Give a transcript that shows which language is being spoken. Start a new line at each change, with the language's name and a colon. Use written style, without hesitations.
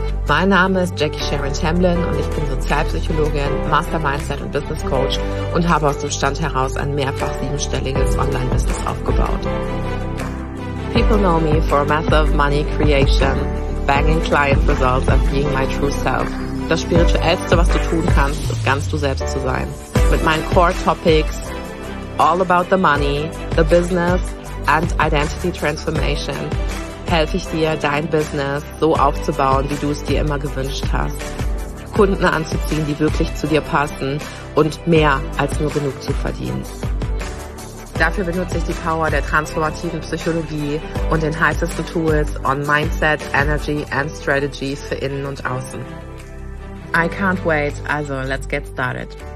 German: Mein Name ist Jackie Sharon Tamblyn und ich bin Sozialpsychologin, Master Mindset und Business Coach und habe aus dem Stand heraus ein mehrfach siebenstelliges Online-Business aufgebaut.
English: People know me for massive money creation, banging client results and being my true self.
German: Das Spirituellste, was du tun kannst, ist ganz du selbst zu sein. Mit meinen Core Topics,
English: all about the money, the business and identity transformation,
German: helfe ich dir, dein Business so aufzubauen, wie du es dir immer gewünscht hast. Kunden anzuziehen, die wirklich zu dir passen und mehr als nur genug zu verdienen. Dafür benutze ich die Power der transformativen Psychologie und den heißesten Tools
English: on Mindset, Energy and Strategy
German: für innen und außen.
English: I can't wait, also let's get started.